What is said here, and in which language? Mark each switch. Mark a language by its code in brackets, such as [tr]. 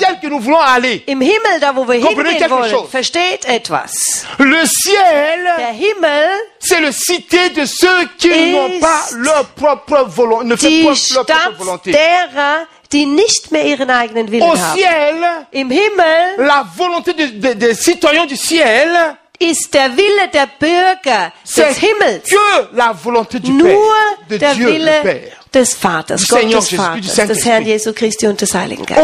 [fr] le ciel que nous voulons aller. [de] Im Himmel, da wo wir [fr] comprenez [de] hingehen [fr] quelque [de] wollen. [fr] Chose. [de] Versteht etwas. [fr] Le ciel, [de] der Himmel, [fr] c'est le cité de ceux qui n'ont pas leur propre volonté. fait pas leur propre volonté. [de] Derer, die nicht mehr ihren eigenen Willen [fr] au [de] haben. [fr] Ciel, [de] im Himmel, [fr] la volonté des citoyens du ciel, [de] ist der Wille der Bürger des Himmels. [fr] Que la volonté du [de] nur [fr] Père, [de] de der [fr] Dieu, [de] Wille des Vaters, [fr] du [de] Gottes [fr] Seigneur, [de] Vaters, des Herrn Jesu Christi und des Heiligen Geistes.